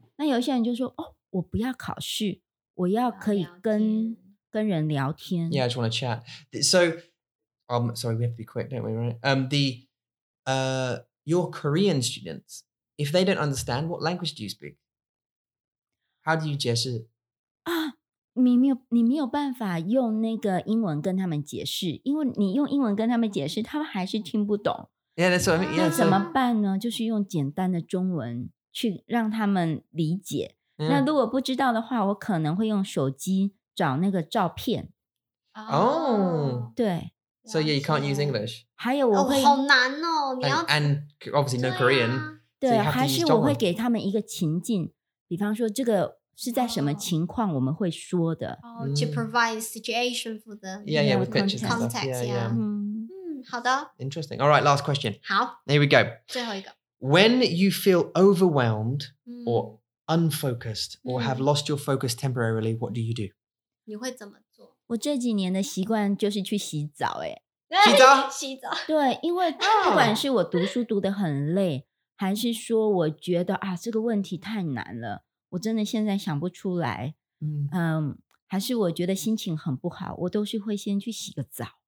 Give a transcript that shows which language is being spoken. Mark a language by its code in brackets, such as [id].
[zh] 那有些人就说、oh, 我不要考试我要可以 跟人聊天 [en] Yeah, I just want to chat. So,sorry, we have to be quick, don't we, right? Your Korean students, if they don't understand, what language do you speak? How do you [zh] 解释？啊，你没有办法用那个英文跟他们解释，因为你用英文跟他们解释，他们还是听不懂。 [en] Yeah, that's what I mean. Yeah, [zh] 那怎么办呢？就是用简单的中文去让他们理解。 Yeah. 那如果不知道的话，我可能会用手机找那个照片。 Oh. 对。 [en] So yeah, you can't use English. [zh] 还有我会、哦、好难哦，你要 [en] and obviously no Korean. [zh] 对，还是我会给他们一个情境，比方说这个是在什么情况我们会说的。 [en] 哦、oh, ，to provide situation for the yeah yeah with pictures context, and stuff. Yeah, yeah. [zh] 嗯，好的。 [en] Interesting. All right, last question. [zh] 好 [en] ，here we go. [zh] 最后一个。 [en] When you feel overwhelmed、嗯、or unfocused or、嗯、have lost your focus temporarily, what do you do? [zh] 你会怎么？我这几年的习惯就是去洗澡、欸、洗澡洗澡对因为不管是我读书读得很累、oh. 还是说我觉得啊这个问题太难了我真的现在想不出来、mm. 嗯，还是我觉得心情很不好我都是会先去洗个澡